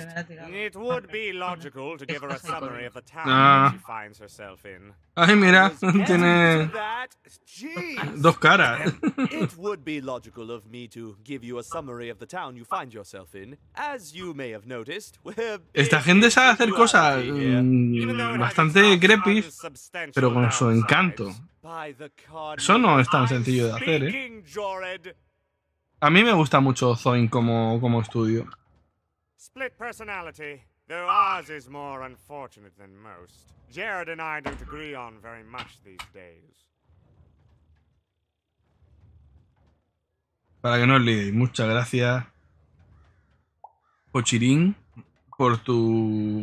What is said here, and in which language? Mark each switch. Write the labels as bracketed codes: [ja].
[en] It would be logical to give her a summary of the town she finds herself in. [es] Ay, mira, tiene dos caras. [en] It would be logical of me to give you a summary of the town you find yourself in. As you may have noticed, [es] esta gente sabe hacer cosas bastante creepies, pero con su encanto. Eso no es tan sencillo de hacer, ¿eh? A mí me gusta mucho Zoin como estudio. [en] Split personality. Though ours is more unfortunate than most. Jared and I don't agree on very much these days. [es] Para que no os liéis, muchas gracias, Pochirín, por tu...